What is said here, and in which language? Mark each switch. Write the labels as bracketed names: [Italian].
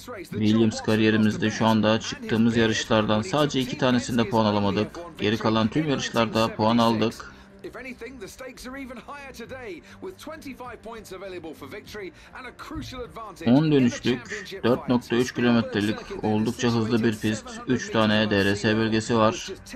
[Turkish] Williams kariyerimizde şu anda çıktığımız yarışlardan sadece 2 tanesinde puan alamadık. Geri kalan tüm yarışlarda puan aldık. [English] If anything, the stakes are even higher today with 25 points available for victory and a crucial advantage. [Turkish] 10 dönüşlük 4.3 kilometrelik oldukça hızlı bir pist, 3 tane DRS bölgesi var.